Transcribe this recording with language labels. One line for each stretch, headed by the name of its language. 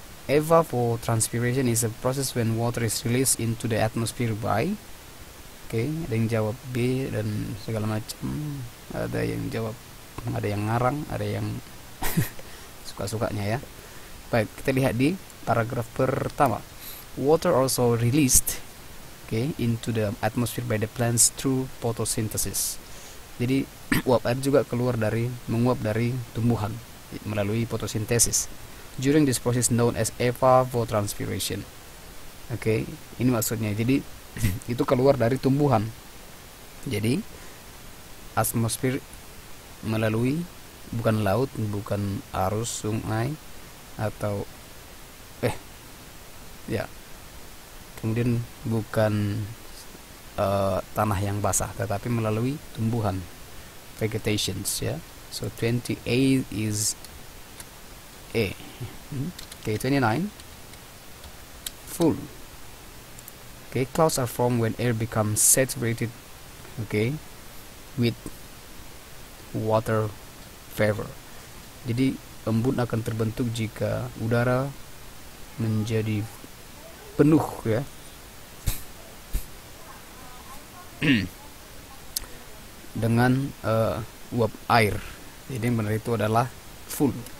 English: Evapotranspiration is a process when water is released into the atmosphere by.
Indonesian: Okay, ada yang jawab B dan segala macam. Ada yang jawab, ada yang ngarang, ada yang suka-sukanya ya. Baik, kita lihat di paragraf pertama.
English: Water also released, okay, into the atmosphere by the plants through photosynthesis.
Indonesian: Jadi uap air juga keluar dari menguap dari tumbuhan melalui fotosintesis.
English: During this process known as evapotranspiration. Okay,
Indonesian: ini maksudnya. Jadi itu keluar dari tumbuhan. Jadi atmosfer melalui bukan laut, bukan arus sungai atau ya. Kemudian bukan tanah yang basah, tetapi melalui tumbuhan, vegetations ya.
English: So 28 is A. Okay, 29. Full. Okay, clouds are formed when air becomes saturated, okay, with water vapor.
Indonesian: Jadi embun akan terbentuk jika udara menjadi penuh ya. Dengan uap air. Jadi yang benar itu adalah full.